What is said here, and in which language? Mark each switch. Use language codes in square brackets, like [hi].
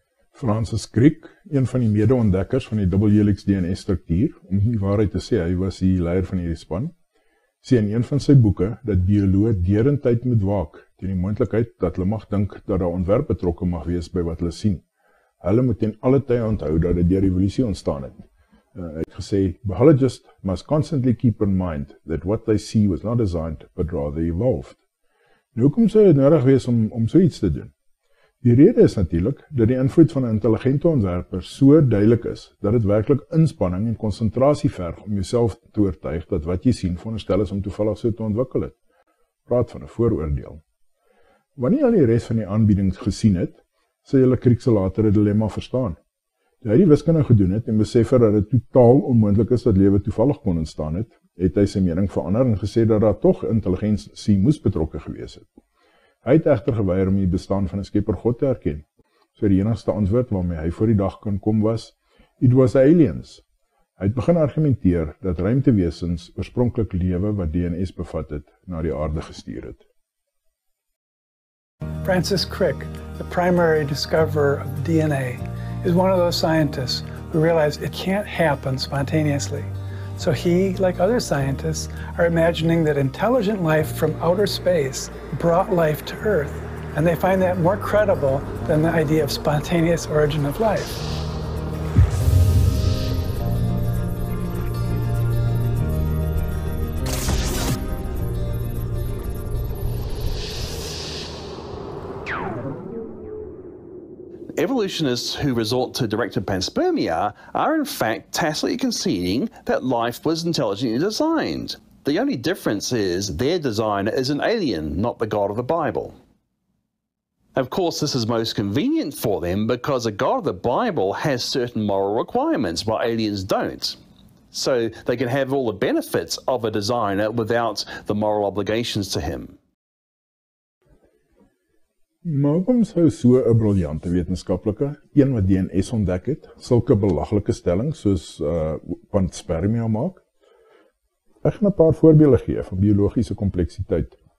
[af] Francis Crick, een van die mede-ontdekkers van die dubbel helix DNA-struktuur, om die waarheid te sê, hy was die leier van hierdie span, sê in een van sy boeke dat bioloë deurentyd moet waak teen die moontlikheid dat hulle mag dink dat daar ontwerp betrokke mag wees by wat hulle sien. Hulle moet ten alle tye onthou dat dit deur evolusie ontstaan het. Het gesê, [en] biologists must constantly keep in mind that what they see was not designed, but rather evolved. [af] Nou, hoekom sou dit nodig wees om so iets te doen? Die rede is natuurlik dat die invloed van 'n intelligente ontwerper so duidelik is, dat dit werklik inspanning en konsentrasie verg om jouself te oortuig dat wat jy sien veronderstel is om toevallig so te ontwikkel het. Praat van 'n vooroordeel. Wanneer jy die res van die aanbiedings gesien het, sal jy Crick se latere dilemma verstaan. Toe hy die wiskunde gedoen het en besef dat dit totaal onmoontlik is dat lewe toevallig kon ontstaan het, het hy sy mening verander en gesê dat daar tog intelligensie moes betrokke gewees het. Hy het egter geweier om die bestaan van 'n skepper God te erken. So die enigste antwoord waarmee hy voor die dag kon kom was, [en] it was aliens. [af] Hy het begin argumenteer dat ruimtewesens oorspronklik lewe wat DNA bevat het, na die aarde gestuur het. [en] Francis Crick, the primary discoverer of DNA, is one of those scientists who realized it can't happen spontaneously. So he, like other scientists, are imagining that intelligent life from outer space brought life to Earth, and they find that more credible than the idea of spontaneous origin of life. Evolutionists who resort to directed panspermia are in fact tacitly conceding that life was intelligently designed. The only difference is their designer is an alien, not the God of the Bible. Of course, this is most convenient for them because a God of the Bible has certain moral requirements while aliens don't. So they can have all the benefits of a designer without the moral obligations to him. [af] Maar hoekom sou so 'n briljante wetenskaplike, een wat DNA ontdek het, sulke belaglike stelling soos panspermia maak? Ek gaan 'n paar voorbeelde gee van biologiese kompleksiteit.